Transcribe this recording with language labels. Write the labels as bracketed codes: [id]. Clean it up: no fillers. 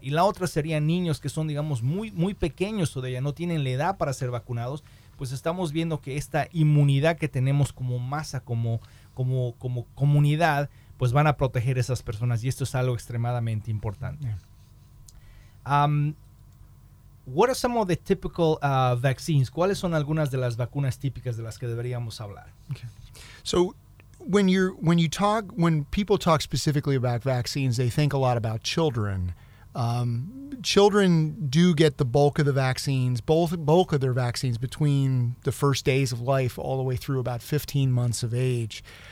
[es] Y la otra sería niños que son, digamos, muy, muy pequeños todavía, no tienen la edad para ser vacunados, pues estamos viendo que esta inmunidad que tenemos como masa, como comunidad, pues van a proteger a esas personas. Y esto es algo extremadamente importante. [en] What are some of the typical vaccines? [es] ¿Cuáles son algunas de las vacunas típicas de las que deberíamos hablar? [en] Okay. So when people talk specifically about vaccines, they think a lot about children. Children do get the bulk of the vaccines, bulk of their vaccines between the first days of life all the way through about 15 months of age.